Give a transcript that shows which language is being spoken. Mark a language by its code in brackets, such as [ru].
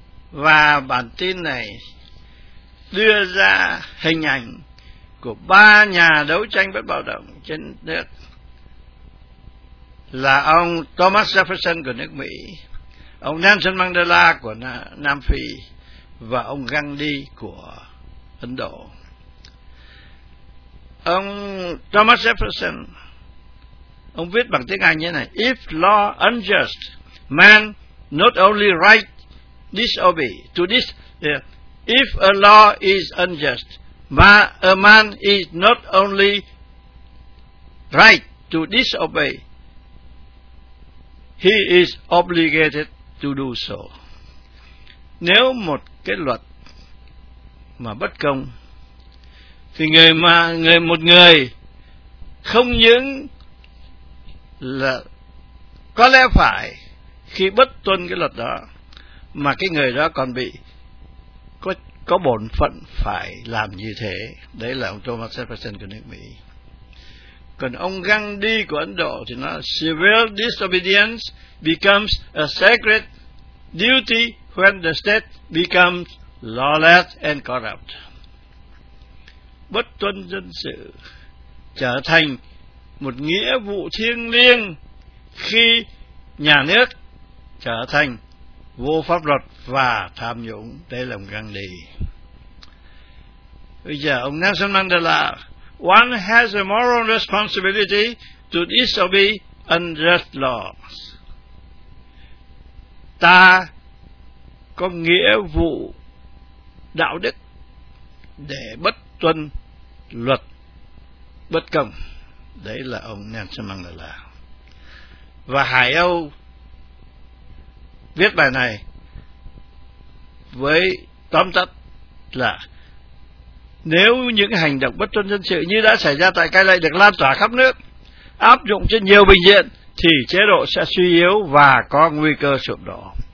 [vi] Và bản tin này đưa ra hình ảnh của ba nhà đấu tranh bất bạo động trên nước là ông Thomas Jefferson của nước Mỹ, ông Nelson Mandela của Nam Phi và ông Gandhi của Ấn Độ. Ông Thomas Jefferson, ông viết bằng tiếng Anh như này: [en] If law unjust, man not only right disobey to this. If a law is unjust, a man is not only right to disobey, he is obligated to do so. [vi] Nếu một cái luật mà bất công, thì người không những là có lẽ phải khi bất tuân cái luật đó, mà cái người đó còn bị có bổn phận phải làm như thế. Đấy là ông Thomas Jefferson của nước Mỹ. Còn ông Gandhi của Ấn Độ thì nói: [en] Civil disobedience becomes a sacred duty when the state becomes lawless and corrupt. [vi] Bất tuân dân sự trở thành một nghĩa vụ thiêng liêng khi nhà nước trở thành vô pháp luật và tham nhũng. Đấy là ông Gandhi. Bây giờ ông [en] Nelson Mandela: One has a moral responsibility to disobey unjust laws. [vi] Ta có nghĩa vụ đạo đức để bất tuân luật bất công. Đấy là ông Nelson Mandela. Và Hải Âu viết bài này với tóm tắt là: Nếu những hành động bất tuân dân sự như đã xảy ra tại Cai Lệ được lan tỏa khắp nước, áp dụng trên nhiều bệnh viện, thì chế độ sẽ suy yếu và có nguy cơ sụp đổ.